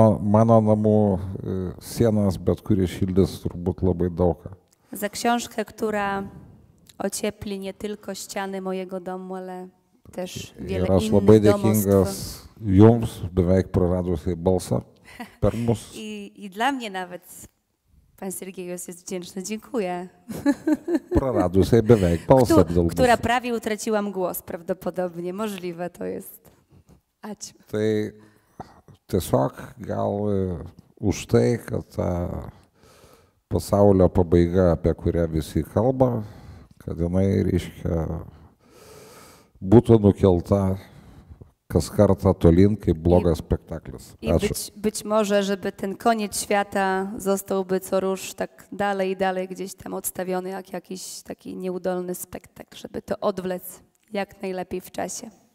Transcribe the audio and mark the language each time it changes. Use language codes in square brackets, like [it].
[lt] Mano namų sienas, bet kuri šildys turbūt labai daug. [pl] Za książkę, która ociepli nie tylko ściany mojego domu, ale też wiele innych domostw. [lt] Ir aš labai dėkingas jums, beveik praradusiai balsą per mus. [pl] I dla mnie nawet, pan Sergejus jest wdzięczny, dziękuję. [lt] Praradusiai beveik balsą. [pl] Która prawie utraciłam głos, prawdopodobnie, możliwe to jest. [lt] Ačiū. Tai tiesiog gal už tai, kad ta pasaulio pabaiga, apie kurią visi kalba, kad jinai, reiškia, būtų nukelta kas kartą tolin, kaip blogas spektaklis. Ačiū. [pl] Być może, żeby ten koniec świata zostałby co rusz tak dalej i dalej gdzieś tam odstawiony, jak jakiś taki nieudolny spektakl, żeby to odwlec jak najlepiej w czasie.